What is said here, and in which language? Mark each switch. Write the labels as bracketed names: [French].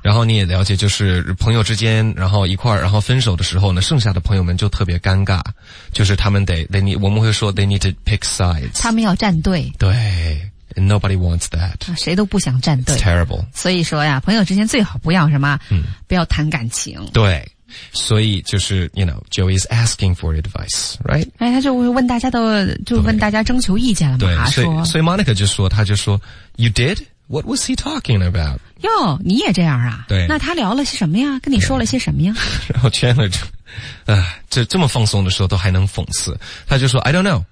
[Chinese] 然后你也了解，就是朋友之间，然后一块儿，然后分手的时候呢，剩下的朋友们就特别尴尬，就是他们我们会说 [English] they need to pick sides， [Chinese] 他们要站队。 [English] 对。And nobody wants that. [Chinese] 谁都不想站队。 [English] It's terrible. [Chinese] 所以说呀，朋友之间最好不要什么，不要谈感情。对，所以就是 [English] you know, Joey is asking for advice, right? [Chinese] 哎，他就问大家都，就问大家征求意见了嘛。对，所以 Monica 就说，他就说 [English] ，You did? What was he talking about? [Chinese] 哟，你也这样啊？对。那他聊了些什么呀？跟你说了些什么呀？然后 Chandler 就，这么放松的时候都还能讽刺，他就说 ， [English] I don't know.